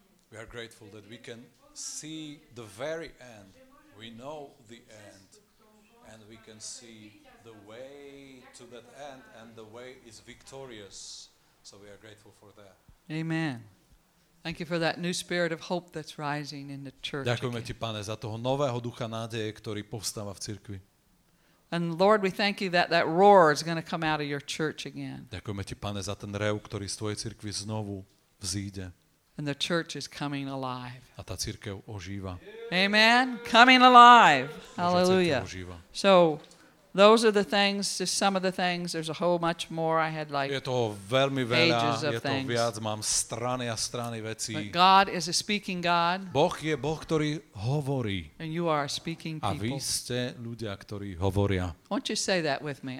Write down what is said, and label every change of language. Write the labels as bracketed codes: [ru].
[en] We are grateful that we can see the very end. We know the end. And we can see the way to that end, and the way is victorious. So we are grateful for that. Amen. Thank you for that new spirit of hope that's rising in the church. [sk] Ďakujeme ti, Pane, za toho nového ducha nádeje, ktorý povstáva v cirkvi. [en] And Lord, we thank you that that roar is going to come out of your church again. [sk] Ďakujeme ti, Pane, za ten rev, ktorý z tvojej cirkvi znovu vzíde. [en] And the church is coming alive. [sk] A tá cirkev ožíva. [en] Amen. Coming alive. Hallelujah. So those are the things, just some of the things. There's a whole much more I had like ages of things. [sk] Je to veľmi veľa, je to viac, mám strany a strany vecí. [en] But God is a speaking God. [sk] Boh je Boh, ktorý hovorí. [en] And you are a speaking people. [sk] A vy ste ľudia, ktorí hovoria. [en] Won't you say that with me?